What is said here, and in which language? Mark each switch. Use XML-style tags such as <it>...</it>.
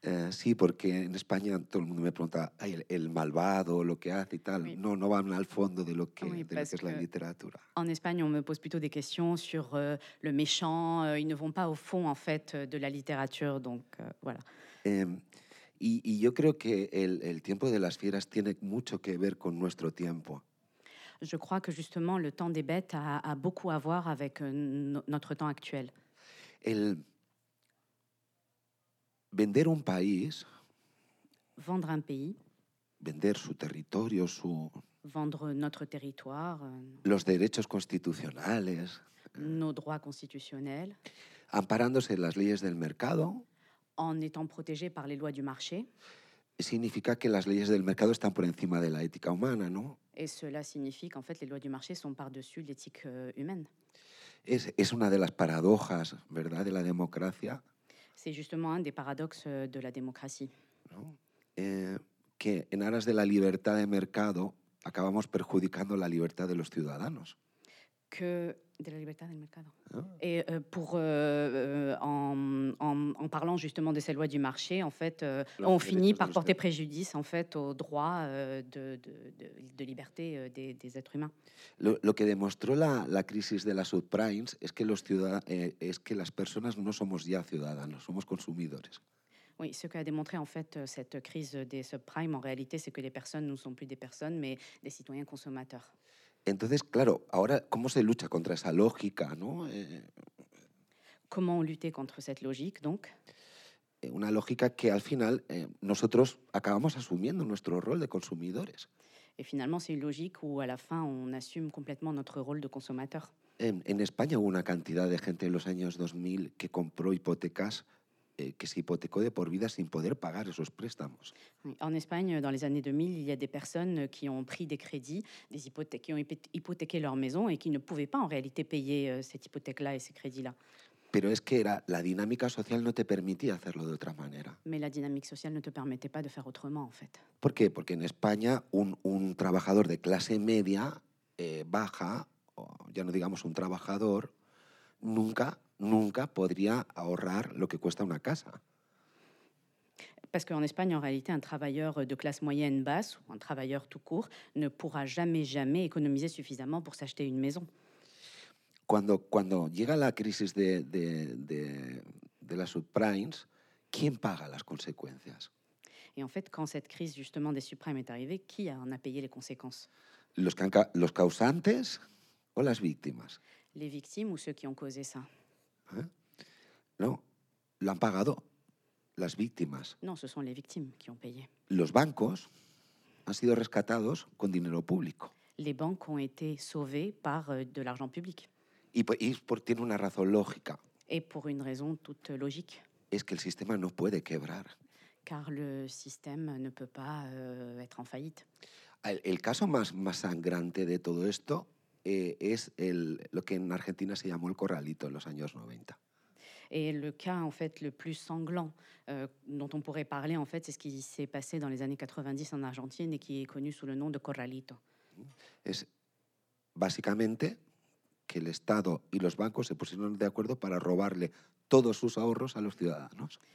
<es>Sí, porque en España todo el mundo me pregunta el malvado, lo que hace y tal.</es> <fr>Oui.</fr> <es>No van al fondo de lo que es la literatura.</es> <fr>En Espagne, on me pose plutôt des questions sur le méchant. Ils ne vont pas au fond, en fait, de la littérature. Donc, voilà.</fr> <es>Y yo creo que el tiempo de las fieras tiene mucho que ver con nuestro tiempo.</es> <fr>Je crois que, justement, le temps des bêtes a beaucoup à voir avec notre temps actuel.</fr> <es>Vender un país,</es> <fr>vendre un pays,</fr> <es>vender su territorio, su</es> <fr>vendre notre territoire,</fr> <es>los derechos constitucionales,</es> <fr>nos droits constitutionnels,</fr> <es>amparándose en las leyes del mercado,</es> <fr>en étant protégé par les lois du marché,</fr> <es>significa que las leyes del mercado están por encima de la ética humana, ¿no?</es> <fr>Et cela signifie qu'en fait les lois du marché sont par-dessus l'éthique humaine.</fr> <es>Es una de las paradojas, ¿verdad?, de la democracia.</es> <fr>C'est justement un des paradoxes de la démocratie.</fr> <es>Que en aras de la libertad de mercado acabamos perjudicando la libertad de los ciudadanos. Que de la libertad del mercado.</es> <fr>Et pour en parlant justement de ces lois du marché, en fait, on finit par porter préjudice en fait aux droits de liberté des êtres humains.</fr> <es>Lo que demostró la crisis de las subprimes es que las personas no somos ya ciudadanos, somos consumidores.</es> <fr>Oui, ce qu'a démontré en fait cette crise des subprimes, en réalité, c'est que les personnes ne sont plus des personnes, mais des citoyens consommateurs.</fr> <es>Entonces, claro, ahora, ¿cómo se lucha contra esa lógica, no? ¿Cómo luchar contra esta lógica, donc? Una lógica que al final nosotros acabamos asumiendo nuestro rol de consumidores. Y finalmente es una lógica</es> <fr>où à la fin on assume complètement notre rôle de consommateur.</fr> <es>En España hubo una cantidad de gente en los años 2000 que compró hipotecas que se hipotecó de por vida sin poder pagar esos préstamos.</es> <fr>En Espagne, dans les années 2000, il y a des personnes qui ont pris des crédits, des hypothèques, qui ont hypothéqué leur maison et qui ne pouvaient pas en réalité payer cette hypothèque-là et ces crédits-là.</fr> <es>Pero es que era, la dinámica social no te permitía hacerlo de otra manera.</es> <fr>Mais la dynamique sociale ne te permettait pas de faire autrement, en fait.</fr> <es>¿Por qué? Porque en España un trabajador de clase media baja, o ya no digamos un trabajador, nunca podría ahorrar lo que cuesta una casa.</es> <fr>Parce qu'en Espagne, en réalité, un travailleur de classe moyenne basse, ou un travailleur tout court, ne pourra jamais, jamais économiser suffisamment pour s'acheter une maison.</fr> <es>Cuando llega la crisis de las subprimes, ¿quién paga las consecuencias?</es> <fr>Et en fait, quand cette crise justement des subprimes est arrivée, qui en a payé les conséquences?</fr> <es>Los causantes o las víctimas?</es> <fr>Les victimes ou ceux qui ont causé ça?</fr> <es>No, lo han pagado las víctimas.</es> <fr>Non, ce sont les victimes qui ont payé.</fr> <es>Los bancos han sido rescatados con dinero público.</es> <fr>Les banques ont été sauvées par de l'argent public.</fr> <es>Y tiene una razón lógica.</es> <fr>Et pour une raison toute logique.</fr> <es>Es que el sistema no puede quebrar.</es> <fr>Car le système ne peut pas être en faillite.</fr> <es>El caso más sangrante de todo esto es lo que en Argentina se llamó el corralito en los años 90.</es> <fr>Et le cas en fait le plus sanglant dont on pourrait parler en fait, c'est ce qui s'est passé dans les années 90 en Argentine et qui est connu sous le nom de corralito.</fr> <es>Es básicamente que el Estado y los bancos se pusieron de acuerdo para robarle todos sus ahorros a los ciudadanos.</es>